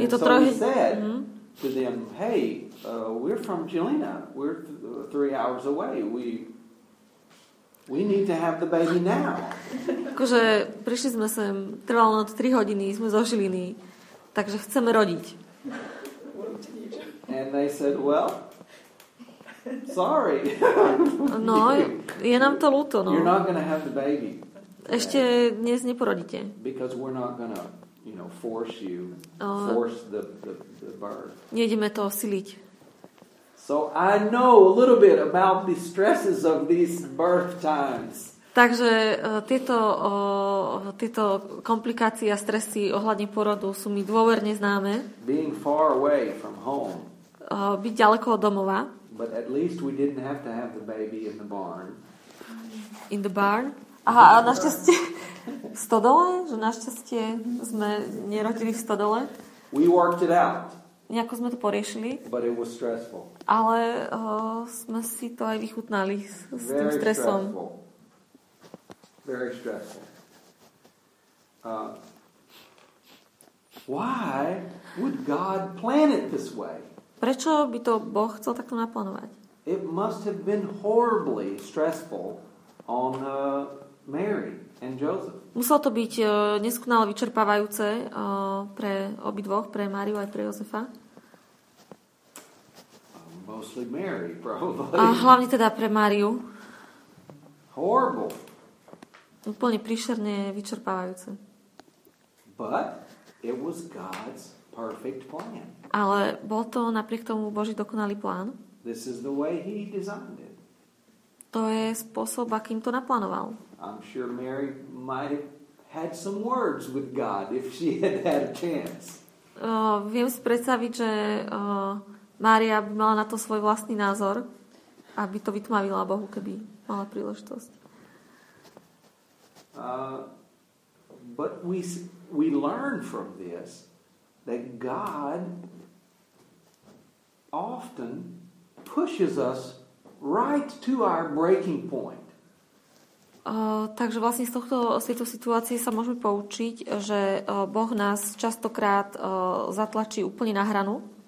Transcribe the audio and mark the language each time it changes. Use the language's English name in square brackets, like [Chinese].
[English] And so we said to them, hey, we're from Galena. We're 3 hours away. We need to have the baby now. [Slovak] Akože prišli sme sem, trvalo nám 3 hodiny, sme zo Žiliny, takže chceme rodiť. [English] And they said, well, sorry. [Slovak] No, je nám to ľúto, no. [English] You're not going to have the baby. [Slovak] Ešte dnes neporodíte. [English] Because we're not going to, you know, force you, force the birth. [Slovak] Nejdeme to osiliť. [English] So I know a little bit about the stresses of these birth times. [Slovak] Takže tieto komplikácie a stresy ohľadne porodu sú mi dôverne známe. [English] Being far away from home. [Slovak] Byť ďaleko od domova. [English] But at least we didn't have to have the baby in the barn. In the barn? [Slovak] Aha, našťastie v stodole? Že našťastie sme nerodili v stodole? [English] We worked it out. [Slovak] Nejako sme to poriešili. [English] But it was stressful. [Slovak] Ale sme si to aj vychutnali s tým stresom. [English] Very stressful. Why would God plan it this way? [Slovak] Prečo by to Boh chcel takto naplánovať? [English] It must have been horribly stressful on Mary and Joseph. [Slovak] Muselo to byť neskutočne vyčerpávajúce pre obidvoch, pre Máriu aj pre Jozefa. [English] Mostly Mary, probably. [Slovak] A hlavne teda pre Máriu. [English] Horrible. [Slovak] Úplne príšerne vyčerpávajúce. [English] But it was God's perfect plan. [Slovak] Ale bol to napriek tomu Boží dokonalý plán. [English] This is the way he designed it. [Slovak] To je spôsob, akým to naplánoval. [English] I'm sure Mary might have had some words with God if she had had a chance. [Slovak] Viem si predstaviť, že Mária by mala na to svoj vlastný názor, aby to vytmavila Bohu, keby mala príležitosť. [English] But we learn from this that God often pushes us right to our breaking point. [Slovak] Takže vlastne z tohto situácie sa môžeme poučiť, že Boh nás častokrát zatlačí úplne na hranu.